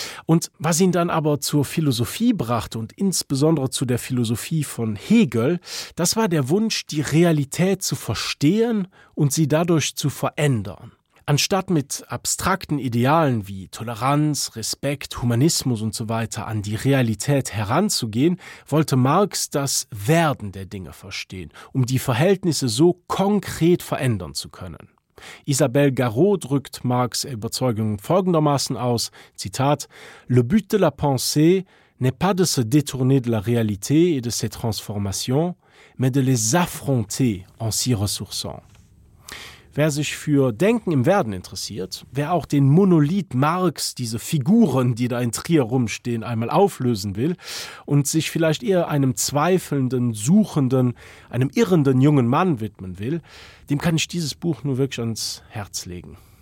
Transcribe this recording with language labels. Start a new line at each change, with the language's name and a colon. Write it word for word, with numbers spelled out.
German: Und was ihn dann aber zur Philosophie brachte und insbesondere zu der Philosophie von Hegel, das war der Wunsch, die Realität zu verstehen und sie dadurch zu verändern. Anstatt mit abstrakten Idealen wie Toleranz, Respekt, Humanismus und so weiter an die Realität heranzugehen, wollte Marx das Werden der Dinge verstehen, um die Verhältnisse so konkret verändern zu können. Isabelle Garot drückt Marx' Überzeugungen folgendermaßen aus, Zitat,
French: Le but de la pensée n'est pas de se détourner de la réalité et de ses transformations, mais de les affronter en s'y ressourçant.
German: Wer sich für Denken im Werden interessiert, wer auch den Monolith Marx, diese Figuren, die da in Trier rumstehen, einmal auflösen will und sich vielleicht eher einem zweifelnden, suchenden, einem irrenden jungen Mann widmen will, dem kann ich dieses Buch nur wirklich ans Herz legen.